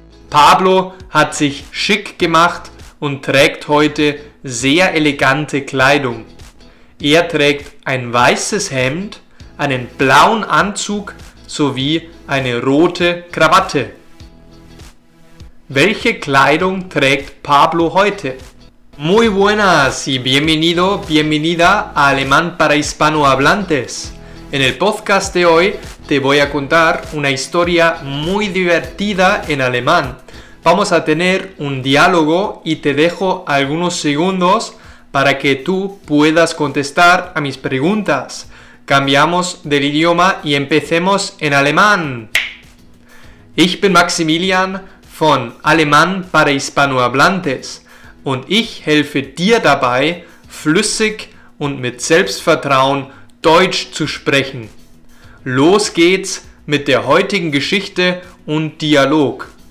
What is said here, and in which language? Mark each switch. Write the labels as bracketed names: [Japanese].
[German] Pablo hat sich schick gemacht und trägt heute sehr elegante Kleidung. Er trägt ein weißes Hemd, einen blauen Anzug sowie eine rote Krawatte. Welche Kleidung trägt Pablo heute? [Spanish] Muy buenas y bienvenido, bienvenida a Alemán para Hispanohablantes. En el podcast de hoy te voy a contar una historia muy divertida en alemán. Vamos a tener un diálogo y te dejo algunos segundos para que tú puedas contestar a mis preguntas. Cambiamos del idioma y empecemos en alemán. [German] Ich bin Maximilian von Alemán para Hispanohablantes und ich helfe dir dabei, flüssig und mit Selbstvertrauen Deutsch zu sprechen. Los geht's mit der heutigen Geschichte und Dialog.